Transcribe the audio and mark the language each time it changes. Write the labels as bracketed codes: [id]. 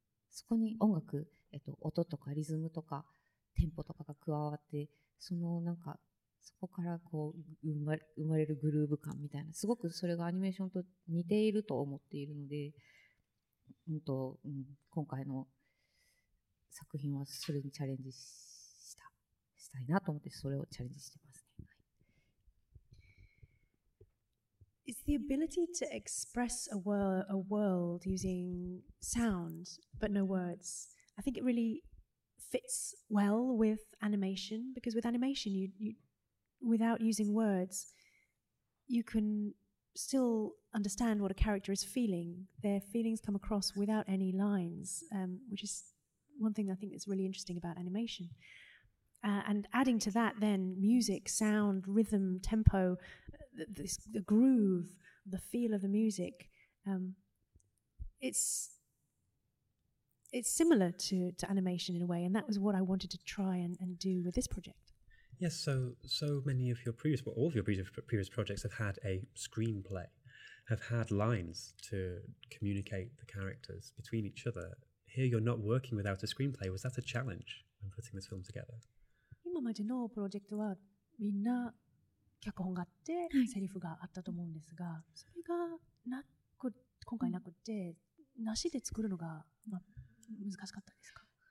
[ja] そこに音楽、音とかリズムとかテンポとかが加わって、そのなんかそこからこう生まれるグルーヴ感みたいな、すごくそれがアニメーションと似ていると思っているので、今回の作品はそれにチャレンジしたいなと思って、それをチャレンジしてますね。 [en] It's the ability to express a world using sound but no words. I think it really fits well with animation, because with animation, you without using words, you can still understand what a character is feeling. Their feelings come across without any lines, which is one thing I think is really interesting about animation. And adding to that, then music, sound, rhythm, tempo, the groove, the feel of the music, it's similar to animation in a way, and that was what I wanted to try and do with this project. Yes, so many of your previous, well, all of your previous projects have had a screenplay, have had lines to communicate the characters between each other. Here you're not working without a screenplay. Was that a challenge when putting this film together? [ja] 今までのプロジェクトはみんな脚本があってセリフがあったと思うんですが、それがなく今回なくて、なしで作るのが、まあ、難しかったですか？